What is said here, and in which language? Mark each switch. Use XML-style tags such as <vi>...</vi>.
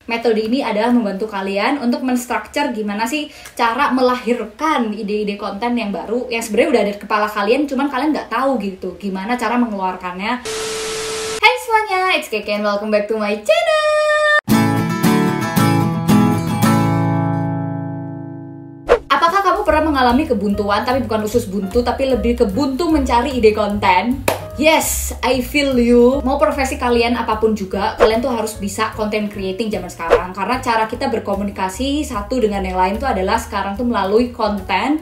<id>Metode ini adalah membantu kalian untuk menstruktur gimana sih cara melahirkan ide-ide konten yang baru yang sebenarnya udah ada di kepala kalian, cuman kalian nggak tahu gitu gimana cara mengeluarkannya. Hai semuanya,</id> <en>it's Keke and welcome back to my channel.</en> <id>Apakah kamu pernah mengalami kebuntuan, tapi bukan khusus buntu, tapi lebih ke buntu mencari ide konten?</id> <en>Yes, I feel you.</en> <id>Mau profesi kalian apapun juga, kalian tuh harus bisa</id> <en>content creating</en> <id>zaman sekarang. Karena cara kita berkomunikasi satu dengan yang lain tuh adalah sekarang tuh melalui konten.</id>